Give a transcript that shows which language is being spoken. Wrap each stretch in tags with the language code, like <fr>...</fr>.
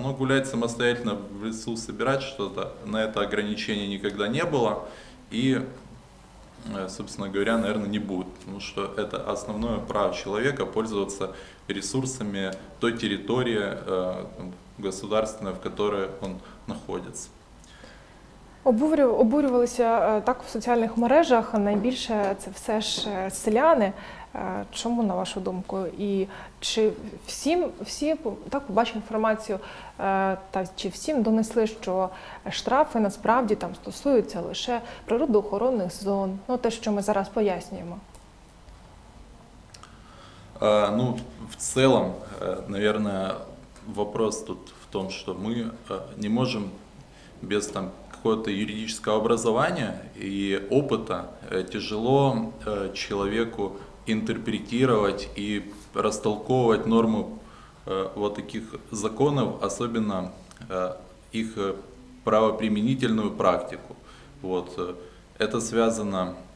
<ru>Но гулять самостоятельно в лесу, собирать что-то, на это ограничение никогда не было. И, собственно говоря, наверное, не будет. Потому что это основное право человека пользоваться ресурсами той территории государственной, в которой он находится.</ru> <uk>Обурювалися так в соціальних мережах, найбільше це все ж селяни. Чому, на вашу думку? І чи всі так побачили інформацію, та чи всім донесли, що штрафи насправді там стосуються лише природоохоронних зон? Ну, те, що ми зараз пояснюємо. Ну, в цілому,</uk> <ru>наверное, вопрос тут</ru> <uk>в тому, що ми не можемо</uk> <ru>без там какого-то юридического образования и опыта тяжело человеку интерпретировать и растолковывать нормы вот таких законов, особенно их правоприменительную практику. Вот. Это связано</ru>